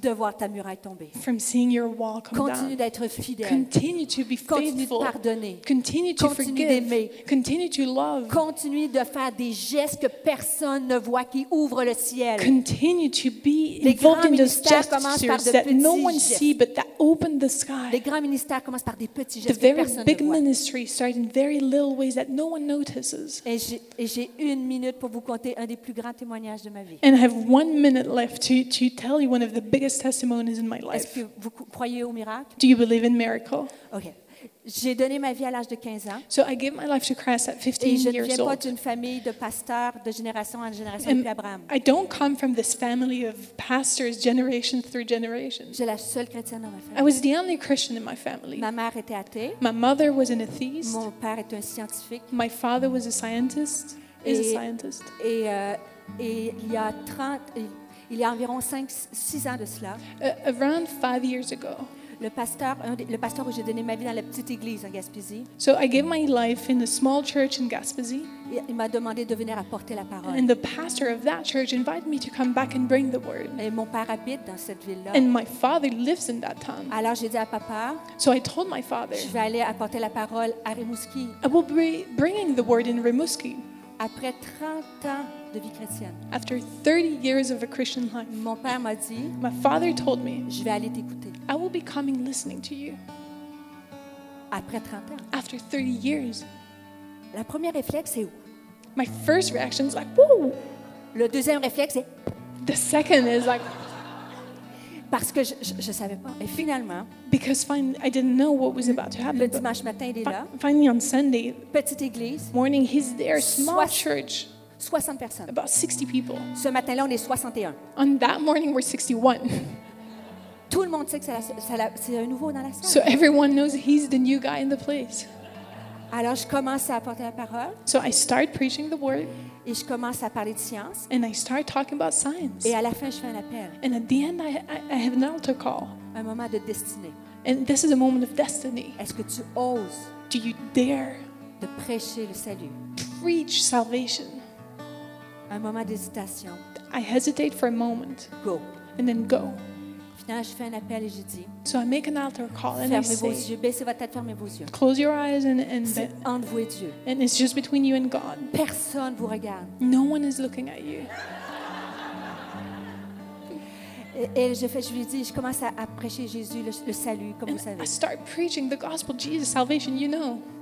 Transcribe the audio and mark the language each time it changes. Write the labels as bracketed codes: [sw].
[fr] de voir ta muraille tomber. [en] From seeing your wall come [fr] continue [en] down. [fr] D'être fidèle. [en] Continue to be faithful. [fr] Continue de pardonner. [en] Continue to [fr] continue [en] forgive. [fr] D'aimer. [en] Continue to love. [fr] Continue de faire des gestes que personne ne voit qui ouvrent le ciel. [en] Continue to be involved in those gestures that no one [fr] gestes. [en] See but that open the sky. [fr] Les grands ministères commencent par des petits gestes [en] the very [fr] que personne [en] big [fr] ne voit. [en] Ministries start in very little ways that no one notices. [fr] Et j'ai une minute pour vous conter un des plus grands témoignages de ma vie. [en] And I have 1 minute left to tell you one of the biggest testimonies in my life. [fr] Est-ce que vous croyez au miracle? [en] Do you believe in miracle? Okay. [fr] J'ai donné ma vie à l'âge de 15 ans. [en] So I gave my life to Christ at 15 years old. [fr] Et je ne viens pas d'une famille de pasteurs de génération en génération depuis Abraham. [en] I don't come from this family of pastors generation through generation. [fr] J'étais la seule chrétienne dans ma famille. [en] I was the only Christian in my family. [fr] Ma mère était athée. [en] My mother was an atheist. [fr] Mon père était un scientifique. [en] My father was a scientist. Is a scientist. [fr] Et il y a environ 5-6 ans de cela, [en] around 5 years ago, [fr] le pasteur où j'ai donné ma vie dans la petite église en Gaspésie. [en] So I gave my life in a small church in Gaspésie. [fr] Il m'a demandé de venir apporter la parole. [en] And the pastor of that church invited me to come back and bring the word. [fr] Et mon père habite dans cette ville-là. [en] And my father lives in that town. [fr] Alors j'ai dit à papa. [en] So I told my father. [fr] Je vais aller apporter la parole à Rimouski. [en] I will be bringing the word in Rimouski. [fr] Après 30 ans de vie chrétienne. [en] After 30 years of a Christian life. [fr] Mon père m'a dit. [en] My father told me. [fr] Je vais aller t'écouter. [en] I will be coming listening to you. [fr] Après 30 ans. [en] After 30 years. [fr] La première réflexe est où? [en] My first reaction is like, whoa. [fr] Le deuxième réflexe est. [en] The second is like. [fr] Parce que je savais pas. Et finalement. [en] Because finally, I didn't know what was about to happen. [fr] Le dimanche matin, il est là. [en] Finally on Sunday. [fr] Petite église. [en] Morning, he's there. Small church. [fr] 60 personnes. [en] About 60 people. [fr] Ce matin-là, on est 61. [en] On that morning, we're 61. [fr] Tout le monde sait que c'est un nouveau dans la salle. [en] So everyone knows he's the new guy in the place. [fr] Alors, je commence à apporter la parole. [en] So I start preaching the word. [fr] Et je commence à parler de science. [en] And I start talking about science. [fr] Et à la fin, je fais un appel. [en] And at the end, I have an altar call. [fr] Un moment de destinée. [en] And this is a moment of destiny. [fr] Est-ce que tu oses? [en] Do you dare? [fr] De prêcher le salut. [en] Preach salvation. [fr] Un moment d'hésitation. [en] I hesitate for a moment. Go. And then go. [fr] Finalement, je fais un appel et je dis. [en] So I make an altar call and [fr] fermez [en] I say. [fr] Fermez vos yeux. Baissez votre tête. Fermez vos yeux. [en] Close your eyes and. [fr] C'est entre vous et Dieu. [en] And it's just between you and God. [fr] Personne vous regarde. [en] No one is looking at you. [fr] Et je lui dis, je commence à prêcher Jésus le salut, comme [en] and [fr] vous savez. [en] I start preaching the gospel, Jesus, salvation, you know.